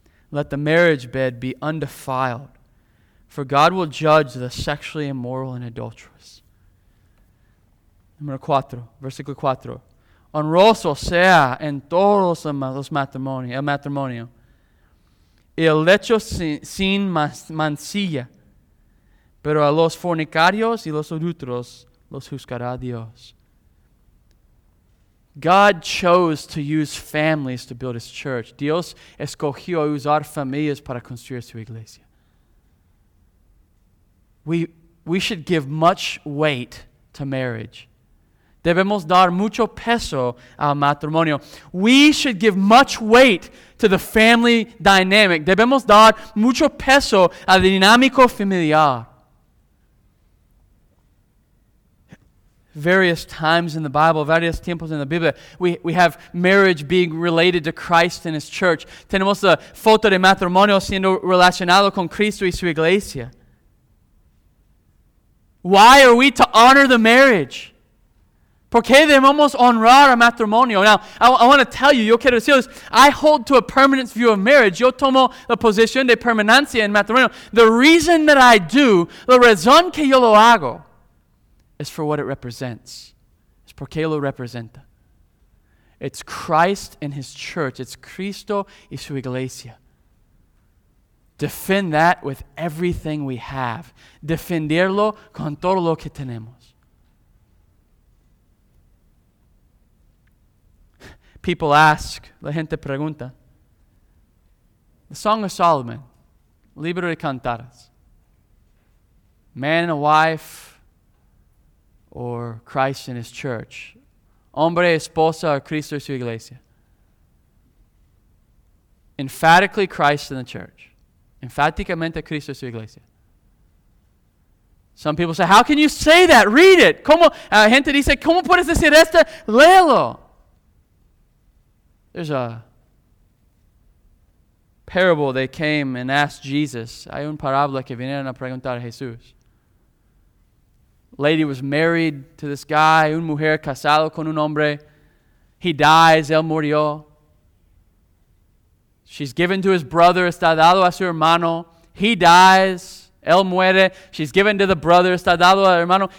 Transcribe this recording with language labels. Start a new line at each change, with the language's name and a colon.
English: Let the marriage bed be undefiled, for God will judge the sexually immoral and adulterous.
Spanish: Number cuatro, versículo 4. Honroso sea en todos los matrimonios, el matrimonio, y el lecho sin mancilla, pero a los fornicarios y los adúlteros los juzgará Dios.
English: God chose to use families to build his church.
Spanish: Dios escogió usar familias para construir su iglesia.
English: We should give much weight to marriage.
Spanish: Debemos dar mucho peso al matrimonio.
English: We should give much weight to the family dynamic.
Spanish: Debemos dar mucho peso al dinámico familiar.
English: various times in the Bible, various temples in the Bible. We have marriage being related to Christ and His church.
Spanish: Tenemos la foto de matrimonio siendo relacionado con Cristo y su iglesia.
English: Why are we to honor the marriage?
Spanish: ¿Por qué debemos honrar el matrimonio?
English: Now, I want to tell you,
Spanish: yo quiero decirles,
English: I hold to a permanence view of marriage.
Spanish: Yo tomo la posición de permanencia en matrimonio.
English: The reason that I do,
Spanish: la razón que yo lo hago,
English: is for what it represents.
Spanish: Es porque lo representa.
English: It's Christ and His church. It's
Spanish: Cristo y su iglesia.
English: Defend that with everything we have.
Spanish: Defenderlo con todo lo que tenemos.
English: People ask,
Spanish: la gente pregunta,
English: the Song of Solomon, Libro de Cantares, man and wife, or Christ and His church,
Spanish: hombre, esposa,
English: or
Spanish: Cristo y su iglesia.
English: Emphatically Christ and the church.
Spanish: Emphaticamente Cristo y su iglesia.
English: Some people say, how can you say that? Read it.
Spanish: ¿Cómo? Gente dice, ¿cómo puedes decir esto? Léelo.
English: There's a parable they came and asked Jesus.
Spanish: Hay un parábola que vinieron a preguntar a Jesús.
English: Lady was married to this guy,
Spanish: un mujer casado con un hombre.
English: He dies,
Spanish: él murió.
English: She's given to his brother,
Spanish: está dado a su hermano.
English: He dies,
Spanish: él muere.
English: She's given to the brother,
Spanish: está dado al hermano.